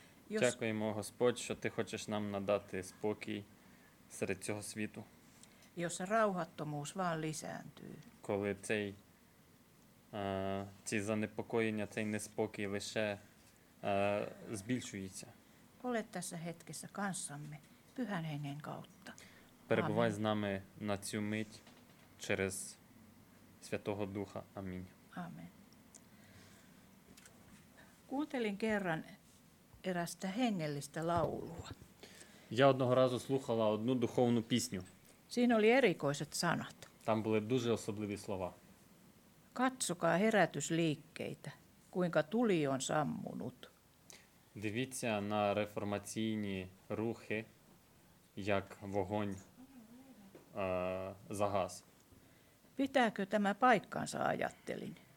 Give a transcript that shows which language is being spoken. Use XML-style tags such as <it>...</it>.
<uk>Дякуємо, Господь, що ти хочеш нам надати спокій серед цього світу.</uk> <fi>Jos rauhattomuus vaan lisääntyy.</fi> <uk>Коли цей ці занепокоєння, цей неспокій лише збільшується.</uk> <fi>Ole tässä hetkessä kanssamme Pyhän Hengen kautta.</fi> <uk>Перебувай з нами на цю мить через Святого Духа. Амінь. Амен.</uk> <fi>Kuuntelin kerran erästä hengellistä laulua.</fi> <uk>Я одного разу слухала одну духовну пісню.</uk> <fi>Siinä oli erikoiset sanat.</fi> <uk>Там були дуже особливі слова.</uk> <fi>Katsokaa herätysliikkeitä, kuinka tuli on sammunut.</fi> <uk>Дивіться на реформаційні рухи, як вогонь загас.</uk> <fi>Pitääkö tämä paikkansa, ajattelin.</fi>